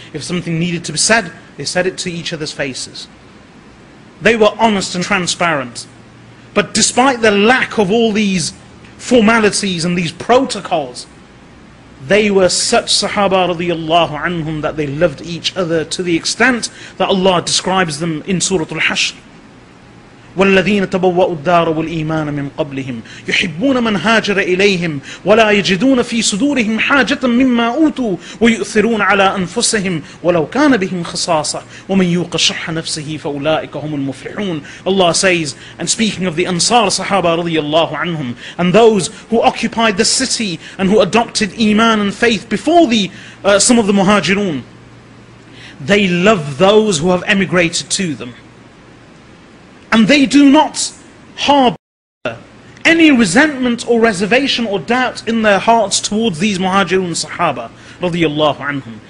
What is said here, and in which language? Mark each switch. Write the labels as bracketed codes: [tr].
[en] If something needed to be said, they said it to each other's faces. They were honest and transparent. But despite the lack of all these formalities and these protocols, they were such Sahaba radiallahu anhum that they loved each other to the extent that Allah describes them in Surah Al-Hashr. [ar] والذين تبوأوا الدار والإيمان من قبلهم يحبون من هاجر إليهم ولا يجدون في صدورهم حاجة مما أوتوا ويؤثرون على أنفسهم ولو كان بهم خصاصة ومن يوق شح نفسه فأولئك هم المفلحون. [en] Allah says, and speaking of the Ansar Sahaba رضي الله عنهم, and those who occupied the city and who adopted Iman and faith before some of the Muhajirun, they love those who have emigrated to them. And they do not harbor any resentment or reservation or doubt in their hearts towards these Muhajirun Sahaba radiallahu anhum.